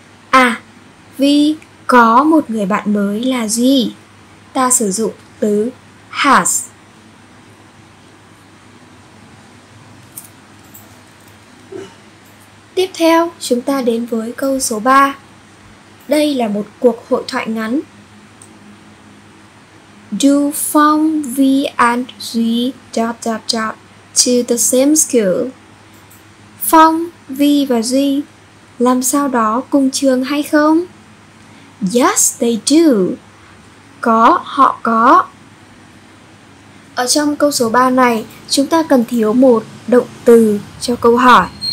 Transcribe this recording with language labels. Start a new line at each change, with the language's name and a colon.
Vietnamese: À, V có một người bạn mới là Z. Ta sử dụng từ has. Tiếp theo, chúng ta đến với câu số 3. Đây là một cuộc hội thoại ngắn.
English: Do Phong, V and Z dot dot dot to the same school?
Vietnamese: Phong, V và Z làm sao đó cùng trường hay không?
English: Yes, they do. Có, họ có.
Vietnamese: Ở trong câu số 3 này, chúng ta cần thiếu một động từ cho câu hỏi.